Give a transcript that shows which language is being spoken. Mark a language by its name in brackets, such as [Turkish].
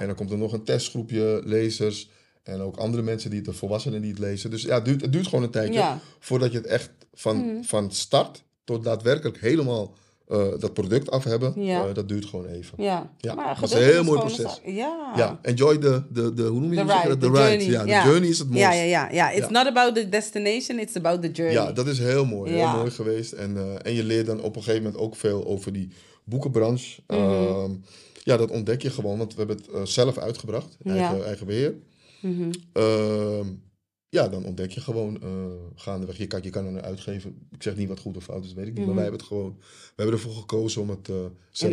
[Dutch] En dan komt er nog een testgroepje lezers en ook andere mensen, die de volwassenen die het lezen. Dus ja, het duurt gewoon een tijdje voordat je het echt van start tot daadwerkelijk helemaal dat product af hebben, dat duurt gewoon even. Ja, ja. Maar dat is een heel mooi proces. Ja. [English] Enjoy the [Dutch] hoe noem je het? [English] The ride. [Dutch] Ja, de journey is het mooiste. Ja. [English] It's not about the destination, it's about the journey. [Dutch] Ja, dat is heel mooi. Heel mooi geweest. En je leert dan op een gegeven moment ook veel over die boekenbranche. Mm-hmm. Dat ontdek je gewoon, want we hebben het zelf uitgebracht. Eigen beheer. Mm-hmm. Dan ontdek je gewoon gaandeweg. Je kan een uitgever. Ik zeg niet wat goed of fout is, dat weet ik niet. Mm-hmm. Maar we hebben ervoor gekozen om het zelf